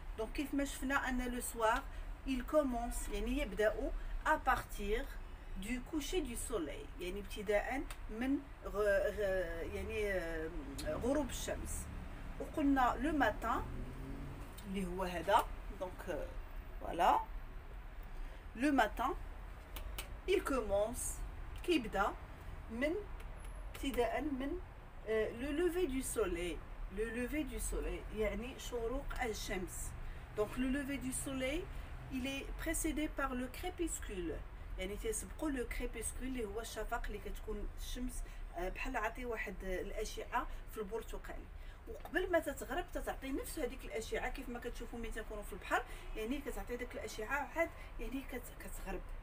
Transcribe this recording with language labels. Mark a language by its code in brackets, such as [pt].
[ar] دونك كيف ما شفنا ان لو سوار [fr] il commence [ar] يعني يبداو [fr] à partir du coucher du soleil، [ar] يعني ابتداء من يعني غروب الشمس. وقلنا لو ماتان اللي هو هذا، دونك فوالا لو ماتان [fr] il commence [ar] كيبدا من ابتداء من [fr] le lever du soleil. Le lever du soleil, [ar] يعني شروق الشمس. [fr] Donc le lever du soleil, il est précédé par le crépuscule. [ar] يعني تسبقوا [fr] le crépuscule [ar] اللي هو الشفق اللي كتكون الشمس بحال عطي واحد الأشعة في البرتقالي. وقبل ما تتغرب تتعطي نفس هذيك الأشعة كيف ما كتشوفوا ملي تكونوا في البحر، يعني كتعطي ديك الأشعة عاد يعني كتغرب.